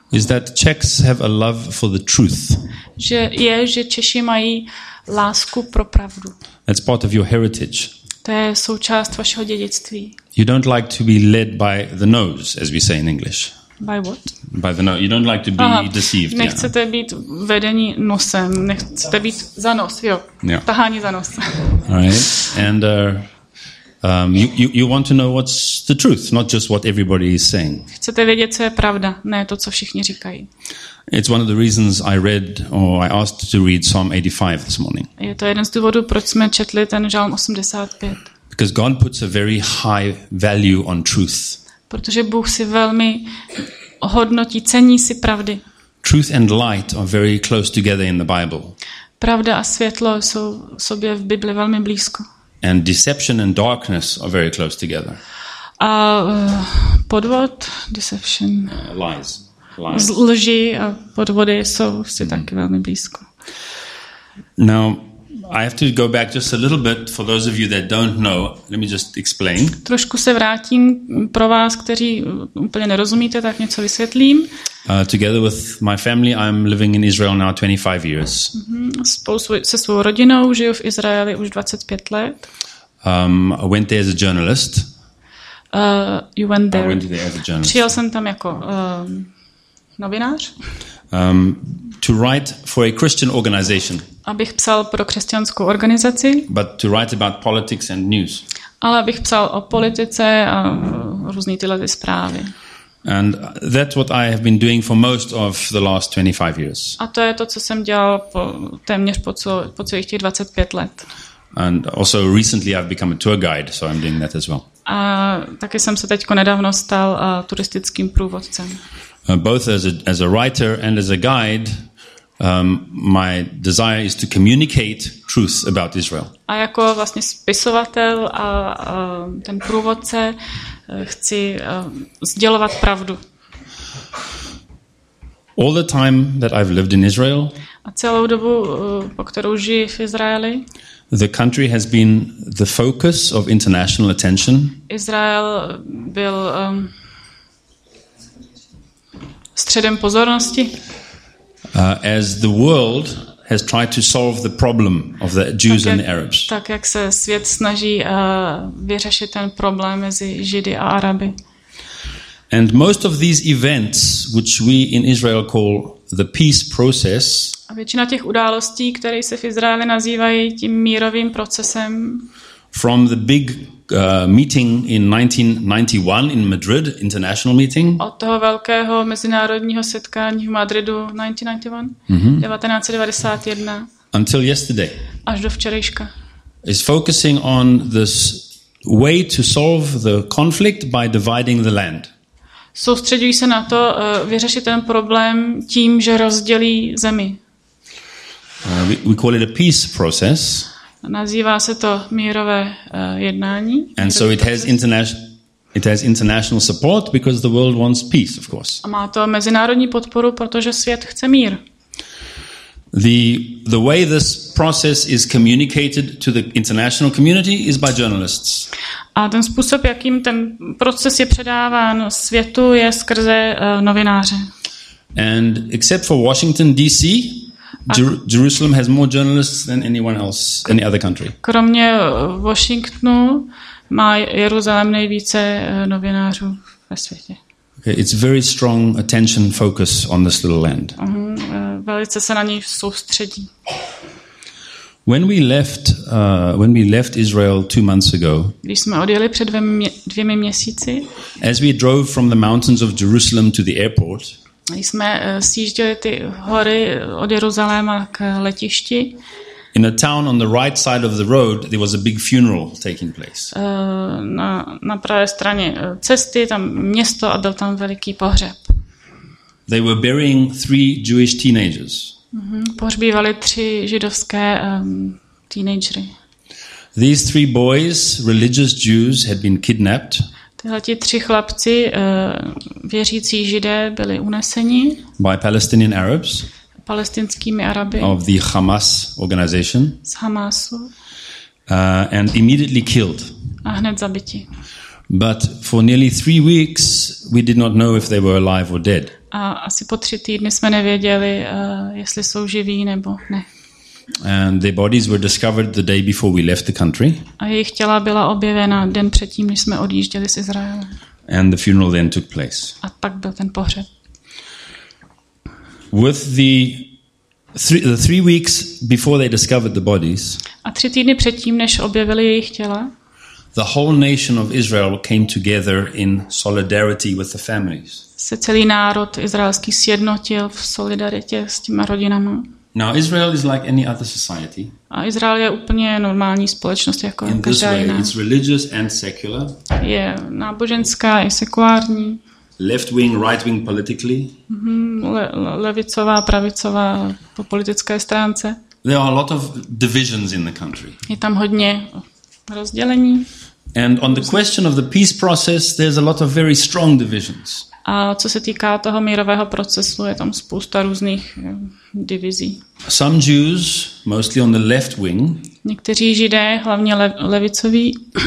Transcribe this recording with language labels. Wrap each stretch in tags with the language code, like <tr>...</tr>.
<en>Is that Czechs have a love for the truth.</en> <cs>Že Češi mají lásku pro pravdu.</cs> <en>That's part of your heritage.</en> <cs>To je součást vašeho dědictví.</cs> <en>You don't like to be led by the nose, as we say in English. By what? By the nose. You don't like to be deceived.</en> <cs>Nechcete být vedení nosem. Nechcete být za nos, jo.</cs> <en>Yeah.</en> <cs>Tahání za nos.</cs> <en>Right. And you want to know what's the truth, not just what everybody is saying.</en> <cs>Chcete vědět, co je pravda, ne to, co všichni říkají.</cs> <en>It's one of the reasons I read or I asked to read Psalm 85 this morning.</en> <cs>Je to jeden z důvodů, proč jsme četli ten žalm 85.</cs> <en>Because God puts a very high value on truth.</en> <cs>Protože Bůh si velmi hodnotí, cení si pravdy.</cs> <en>Truth and light are very close together in the Bible.</en> <cs>Pravda a světlo jsou sobě v Bibli velmi blízko.</cs> <en>And deception and darkness are very close together.</en> <cs>A podvod, deception.</cs> <en>Lies.</en> <cs>Lži a podvody jsou si taky velmi blízko.</cs> <en>Now, I have to go back just a little bit for those of you that don't know. Let me just explain.</en> <cs>Trošku se vrátím pro vás, kteří úplně nerozumíte, tak něco vysvětlím.</cs> <en>Together with my family, I'm living in Israel now 25 years.</en> <cs>Spolu se svou rodinou žiju v Izraeli už 25 let.</cs> <en>I went there as a journalist. You went there. I went there as a journalist.</en> <cs>Přijel jsem tam jako novinář.</cs> <en>To write for a Christian organization.</en> <cs>Abych psal pro křesťanskou organizaci.</cs> <en>But to write about politics and news.</en> <cs>Ale abych psal o politice a různý tyhle ty zprávy.</cs> <en>And that's what I have been doing for most of the last 25 years.</en> <cs>A to je to, co jsem dělal téměř po celých těch 25 let.</cs> <en>And also recently I've become a tour guide, so I'm doing that as well.</en> <cs>A taky jsem se teďko nedávno stal turistickým průvodcem.</cs> <en>Both as a writer and as a guide, my desire is to communicate truth about Israel.</en> <cs>A jako vlastně spisovatel a ten průvodce chci sdělovat pravdu.</cs> <en>All the time that I've lived in Israel.</en> <cs>A celou dobu, po kterou žiji v Izraeli.</cs> <en>The country has been the focus of international attention.</en> <cs>Izrael byl středem pozornosti.</cs> <en>As the world has tried to solve the problem of the Jews and Arabs.</en> <cs>Tak jak se svět snaží vyřešit ten problém mezi Židy a Araby.</cs> <en>And most of these events, which we in Israel call the peace process.</en> <cs>A většina těch událostí, které se v Izraeli nazývají tím mírovým procesem.</cs> <en>From the big meeting in 1991 in Madrid, international meeting.</en> <cs>Od toho velkého mezinárodního setkání v Madridu 1991.</cs> <en>Until yesterday.</en> <cs>Až do včerejška.</cs> <en>Is focusing on this way to solve the conflict by dividing the land.</en> <cs>Soustředují se na to vyřešit ten problém tím, že rozdělí zemi.</cs> <en>We call it a peace process.</en> <cs>Nazývá se to mírové jednání.</cs> <en>And so it has international support because the world wants peace, of course.</en> <cs>A má to mezinárodní podporu, protože svět chce mír.</cs> <en>The way this process is communicated to the international community is by journalists.</en> <cs>A ten způsob, jakým ten proces je předáván světu, je skrze novináře.</cs> <en>And except for Washington DC, Jerusalem has more journalists than anyone else, any other country.</en> <cs>Kromě Washingtonu má Jeruzalém nejvíce novinářů ve světě.</cs> <en>Okay, it's very strong attention focus on this little land.</en> <cs>Velice se na něj soustředí.</cs> <en>When we left Israel 2 months ago,</en> <cs>když jsme odjeli před dvěmi měsíci,</cs> <en>as we drove from the mountains of Jerusalem to the airport,</en> <cs>když jsme sjížděli ty hory od Jeruzaléma k letišti,</cs> <en>in a town on the right side of the road, there was a big funeral taking place.</en> <cs>Na pravé straně cesty tam město a byl tam veliký pohřeb.</cs> <en>They were burying 3 Jewish teenagers.</en> <cs>Pohřbívali 3 židovské teenagery.</cs> <en>These 3 boys, religious Jews, had been kidnapped.</en> <cs>Tyhle ti 3 chlapci, věřící Židé, byli uneseni.</cs> <en>By Palestinian Arabs.</en> <cs>Palestinskými Araby.</cs> <en>Of the Hamas organization.</en> <cs>Z Hamasu.</cs> <en>And immediately killed.</en> <cs>A hned zabiti.</cs> <en>But for nearly 3 weeks, we did not know if they were alive or dead.</en> <cs>A asi po 3 týdny jsme nevěděli, jestli jsou živí nebo ne.</cs> <en>And their bodies were discovered the day before we left the country.</en> <cs>A jejich těla byla objevena den předtím, než jsme odjížděli z Izraele.</cs> <en>And the funeral then took place.</en> <cs>A pak byl ten pohřeb.</cs> <en>With the three weeks before they discovered the bodies.</en> <cs>A 3 týdny předtím, než objevili jejich těla.</cs> <en>The whole nation of Israel came together in solidarity with the families.</en> <cs>Se celý národ izraelský sjednotil v solidaritě s těma rodinami.</cs> <en>Now Israel is like any other society.</en> <cs>A Izrael je úplně normální společnost jako</cs> <en>in</en> <cs>každá</cs> <en>this way,</en> <cs>jiná.</cs> <en>It's religious and secular.</en> <cs>Je náboženská i sekulární.</cs> <en>Left wing, right wing politically.</en> <cs>Levicová, pravicová po politické stránce.</cs> <en>There are a lot of divisions in the country.</en> <cs>Je tam hodně rozdělení.</cs> <en>And on the question of the peace process, there's a lot of very strong divisions.</en> <cs>A co se týká toho mírového procesu, je tam spousta různých divizí.</cs> <en>Some Jews, mostly on the left wing,</en> <cs>někteří Židé, hlavně levicoví,</cs>